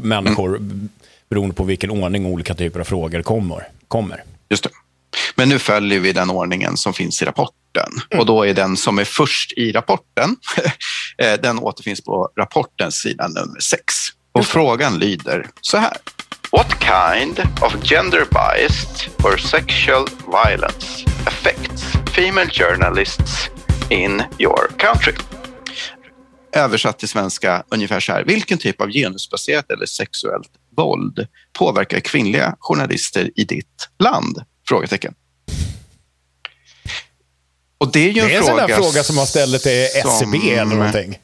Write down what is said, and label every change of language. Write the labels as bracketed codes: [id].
[sv] människor beroende på vilken ordning olika typer av frågor kommer. Just det. Men nu följer vi den ordningen som finns i rapporten. Mm. Och då är den som är först i rapporten, den återfinns på rapportens sida nummer 6. Och frågan lyder så här. [en] What kind of gender-biased or sexual violence affects female journalists in your country? [sv] Översatt till svenska ungefär så här. Vilken typ av genusbaserat eller sexuellt våld påverkar kvinnliga journalister i ditt land? Frågetecken. Och det är ju en fråga som har ställt till SCB eller någonting.